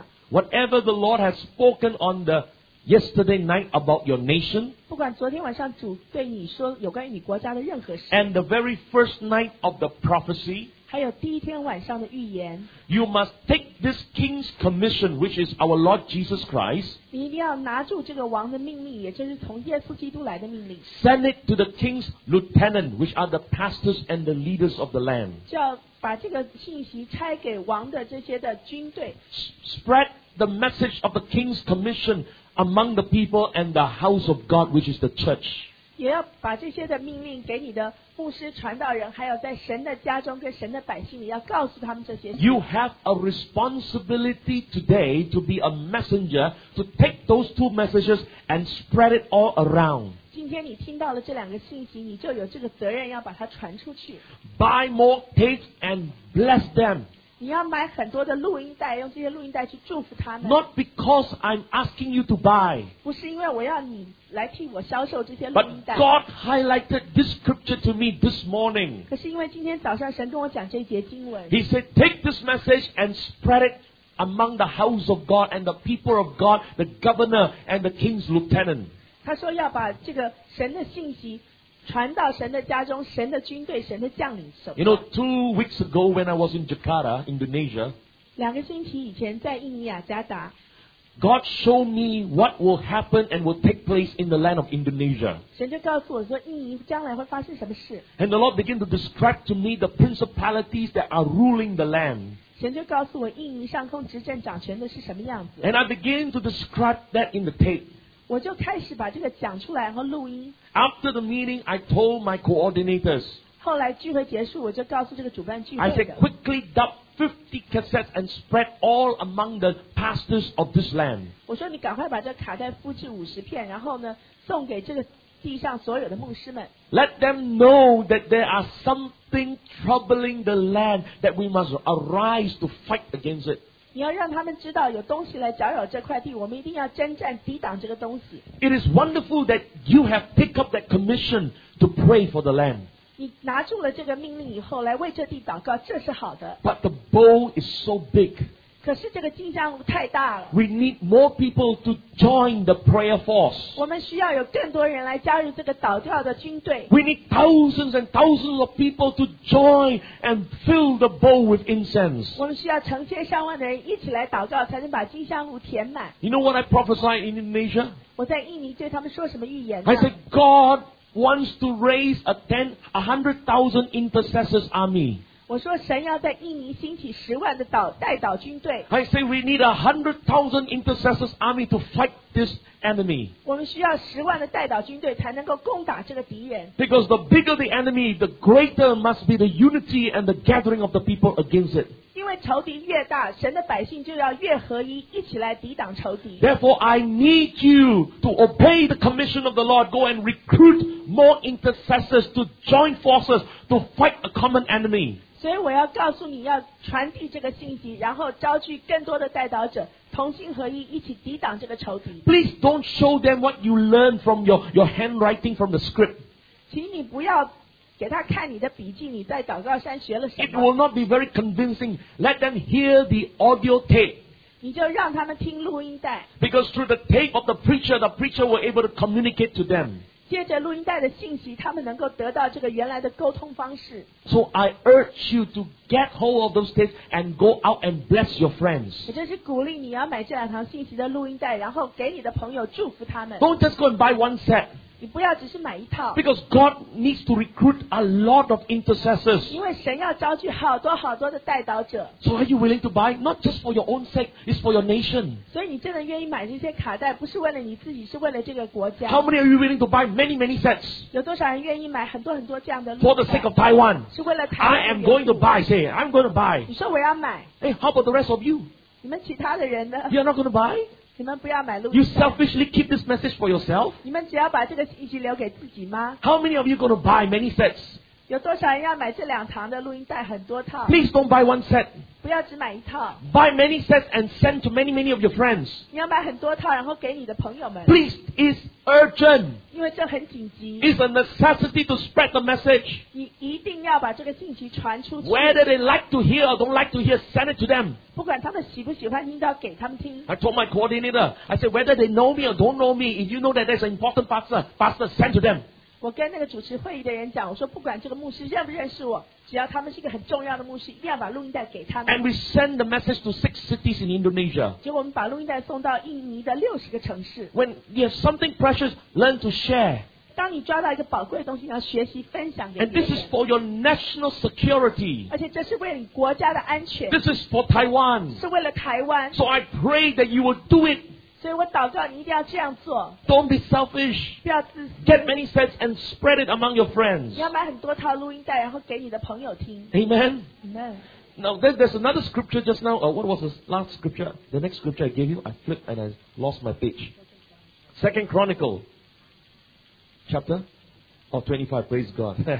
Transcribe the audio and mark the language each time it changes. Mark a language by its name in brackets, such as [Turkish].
[English] Whatever the Lord has spoken on the yesterday night about your nation, [Chinese] 不管昨天晚上主对你说有关于你国家的任何事 [English] ，and the very first night of the prophecy, [Chinese] 还有第一天晚上的预言 [English] ，you must take this king's commission, which is our Lord Jesus Christ. [Chinese] 你一定要拿住这个王的命令，也就是从耶稣基督来的命令。 [English] Send it to the king's lieutenant, which are the pastors and the leaders of the land. [Chinese] 叫把这个信息拆给王的这些的军队。 [English] Spread the message of the king's commission among the people and the house of God, which is the church. [Chinese] 也要把这些的命令给你的牧师、传道人，还有在神的家中跟神的百姓里，要告诉他们这些。 [English] You have a responsibility today to be a messenger to take those two messages and spread it all around. [Chinese] 今天你听到了这两个信息，你就有这个责任要把它传出去。 [English] Buy more tapes and bless them. [Chinese] 你要买很多的录音带，用这些录音带去祝福他们。 [English] Not because I'm asking you to buy. [Chinese] 不是因为我要你来替我销售这些录音 [English] 带。But God highlighted this scripture to me this morning. [Chinese] 可是因为今天早上神跟我讲这一节经文。 [English] He said, take this message and spread it among the house of God and the people of God, the governor and the king's lieutenant. [Chinese] 他说要把这个神的信息传到神的家中，神的军队，神的将领手上。 [English] You know, 2 weeks ago when I was in Jakarta, Indonesia, [Chinese] 两个星期以前在印尼雅加达 [English] ，God showed me what will happen and will take place in the land of Indonesia. [Chinese] 神就告诉我说，印尼将来会发生什么事。 [English] And the Lord began to describe to me the principalities that are ruling the land. [Chinese] 神就告诉我，印尼上空执政掌权的是什么样子。 [English] And I began to describe that in the tape. [Chinese] 我就开始把这个讲出来和录音。 [English] After the meeting, I told my coordinators. [Chinese] 后来聚会结束，我就告诉这个主办聚会的。 [English] I said quickly dub 50 cassettes and spread all among the pastors of this land. [Chinese] 我说你赶快把这个卡带复制50片，然后呢送给这个地上所有的牧师们。 [English] Let them know that there are something troubling the land that we must arise to fight against it. [Chinese] 你要让他们知道有东西来搅扰这块地，我们一定要征战抵挡这个东西。 [English] It is wonderful that you have picked up that commission to pray for the land. [Chinese] 你拿住了这个命令以后来为这地祷告，这是好的。 [English] But the bowl is so big. [Chinese] 可是这个金像太大了。 [English] We need more people to join the prayer force. [Chinese] 我们需要有更多人来加入这个祷告的军队。 [English] We need thousands and thousands of people to join and fill the bowl with incense. [Chinese] 我们需要成千上万的人一起来祷告，才能把金香炉填满。 [English] You know what I prophesied in Indonesia? [Chinese] 我在印尼对他们说什么预言？ [English] I said God wants to raise a 100,000 intercessors army. [Chinese] 我说神要在印尼兴起十万的祷代祷军队。 [English] I say we need 100,000 intercessors army to fight this enemy. [Chinese] 我们需要十万的代祷军队才能够攻打这个敌人。 [English] Because the bigger the enemy, the greater must be the unity and the gathering of the people against it. [Chinese] 因为仇敌越大，神的百姓就要越合一，一起来抵挡仇敌。 [English] Therefore, I need you to obey the commission of the Lord. Go and recruit more intercessors to join forces to fight a common enemy. [Chinese] 所以我要告诉你要传递这个信息然后招聚更多的代祷者同心合一一起抵挡这个仇敌 [English] Please don't show them what you learn from your handwriting from the script [Chinese] 请你不要给他看你的笔记你在祷告山学了什么 [English] It will not be very convincing Let them hear the audio tape [Chinese] 你就让他们听录音带 [English] Because through the tape of the preacher will be able to communicate to them [Chinese] 借着录音带的信息他们能够得到这个原来的沟通方式 [English] So I urge you to get hold of those tapes and go out and bless your friends [Chinese] 我就是鼓励你要买这两堂信息的录音带然后给你的朋友祝福他们 [English] Don't just go and buy one set [Chinese] 你不要只是买一套 [English] Because God needs to recruit a lot of intercessors [Chinese] 因为神要招聚好多好多的代祷者 [English] So are you willing to buy? Not just for your own sake, it's for your nation [Chinese] 所以你真的愿意买这些卡带不是为了你自己是为了这个国家 [English] How many are you willing to buy many, many sets? [Chinese] 有多少人愿意买很多很多这样的录音带 [English] For the sake of Taiwan [Chinese] 是为了台湾 [English] I am going to buy, say, I'm going to buy [Chinese] 你说我要买 [English] Hey, how about the rest of you? [Chinese] 你们其他的人呢 [English] You are not going to buy? [Chinese] 你们不要买录音带。 [English] You selfishly keep this message for yourself. [Chinese] 你们只要把这个信息留给自己吗 [English] ？How many of you going to buy many sets? [Chinese] 有多少人要买这两堂的录音带很多套 [English] ？Please don't buy one set. [Chinese] 不要只买一套。 [English] Buy many sets and send to many many of your friends. [Chinese] 你要买很多套，然后给你的朋友们。 [English] Please, it's urgent. [Chinese] 因为这很紧急。 [English] It's a necessity to spread the message. [Chinese] 你一定要把这个信息传出去。 [English] Whether they like to hear or don't like to hear, send it to them. [Chinese] 不管他们喜不喜欢听都要给他们听 [English] I told my coordinator I said whether they know me or don't know me if you know that there's an important pastor send to them [Chinese] 我跟那个主持会议的人讲我说不管这个牧师认不认识我只要他们是一个很重要的牧师一定要把录音带给他们 [English] And we send the message to 6 cities in Indonesia [Chinese] 结果我们把录音带送到印尼的60个城市 [English] When you have something precious learn to share [Chinese] 当你抓到一个宝贵的东西你要学习分享给别 [English] 人 And this is for your national security [Chinese] 而且这是为你国家的安全 [English] This is for Taiwan [Chinese] 是为了台湾 [English] So I pray that you will do it [Chinese] 所以我祷告你一定要这样做 [English] Don't be selfish [Chinese] 不要自私 [English] Get many sets and spread it among your friends [Chinese] 你要买很多套录音带然后给你的朋友听 [English] Amen Amen Now there's another scripture just now what was the last scripture? The next scripture I gave you I flipped and I lost my page 2 Chronicles Chapter of 25, praise God.